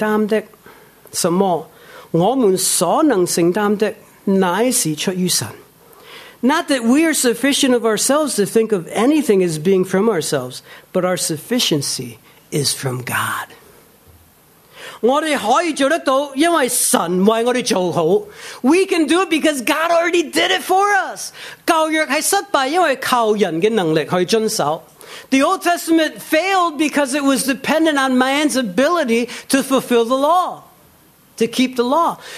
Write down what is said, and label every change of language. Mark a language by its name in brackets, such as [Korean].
[Chinese] 并不是我们凭自己能承担的什么, 我们所能承担的乃是出于神。 [English] Not that we are sufficient of ourselves to think of anything as being from ourselves, but our sufficiency is from God. [Chinese] 我们可以做得到,因为神为我们做好。 [English] We can do it because God already did it for us. [Chinese] 旧约是失败,因为靠人的能力去遵守。 [English] The Old Testament failed because it was dependent on man's ability to fulfill the law, to keep the law.